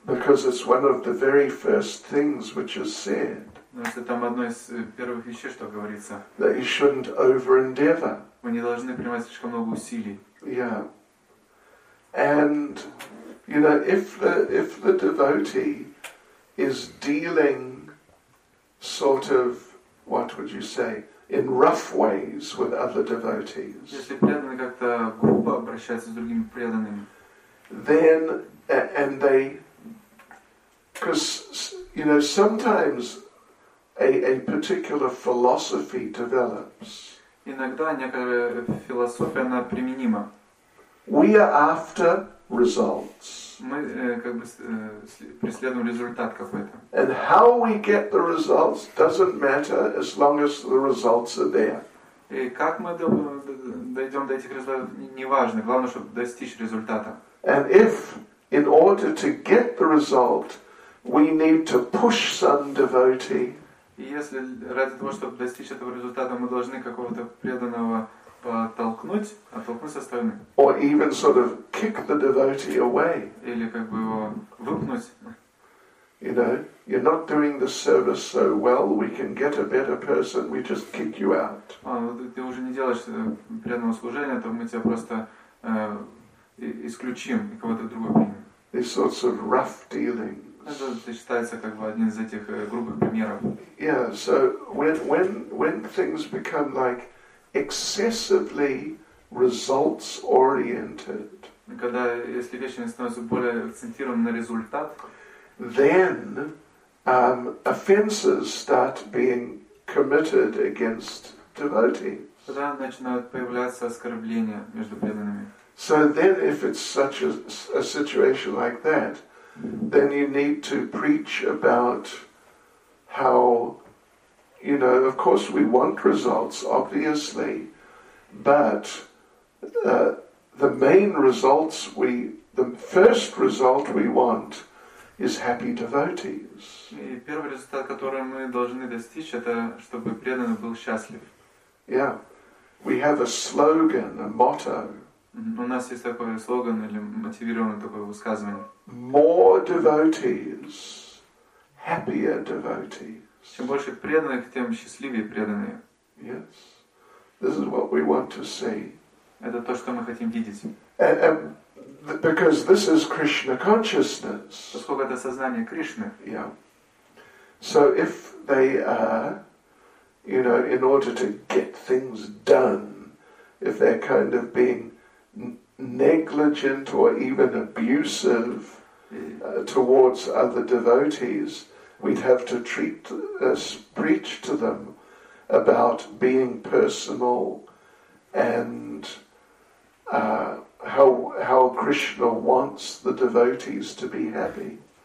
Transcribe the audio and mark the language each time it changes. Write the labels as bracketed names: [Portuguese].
[English] Because it's one of the very first things which is said. [Russian] Значит, там одно из первых вещей, что говорится. [English] That you shouldn't over-endeavor. [Russian] Мы не должны принимать слишком много усилий. [English] Yeah. And, you know, if the devotee is dealing sort of, what would you say, in rough ways with other devotees, [Russian] если преданный как-то грубо обращается с другими преданными, [English] then and they, because you know sometimes a particular philosophy develops. [Russian] Иногда некая философия она применима. [English] We are after results. [Russian] Мы как бы преследуем результат какой-то. [English] And how we get the results doesn't matter as long as the results are there. [Russian] И как мы дойдем до этих результатов, не важно. Главное, чтобы достичь результата. [English] And if, in order to get the result, we need to push some devotee. [Russian] И если ради того, чтобы достичь этого результата, мы должны какого-то преданного оттолкнуть, оттолкнуть со стороны. [English] Or even sort of kick the devotee away. [Russian] Или как бы его выпнуть. [English] You know, you're not doing the service so well, we can get a better person, we just kick you out. [Russian] Ты уже не делаешь преданного служения, то мы тебя просто исключим и кого-то другого примем. [English] These sorts of rough dealings. [Russian] Это считается как бы одним из этих грубых примеров. [English] Yeah, so when things become like excessively results oriented, [Russian] когда если вещи становятся более акцентированы на результат, [English] then offenses start being committed against devotees. [Russian] Тогда начинают появляться оскорбления между преданными. [English] So then if it's such a situation like that, then you need to preach about how, you know, of course we want results, obviously, but the main results we, the first result we want is happy devotees. [Russian] И первый результат, который мы должны достичь, это чтобы преданный был счастлив. [English] Yeah, we have a slogan, a motto. [Russian] У нас есть такой слоган или мотивированное такое высказывание. [English] More devotees, happier devotees. [Russian] Чем больше преданных, тем счастливее преданные. [English] Yes. This is what we want to see. [Russian] Это то, что мы хотим видеть. [English] Because this is Krishna consciousness. [Russian] Поскольку это сознание Кришны. [English] Yeah. So if they are, you know, in order to get things done, if they're kind of being negligent or even abusive towards other devotees, we'd have to preach to them about being personal and how Krishna wants the devotees to be happy.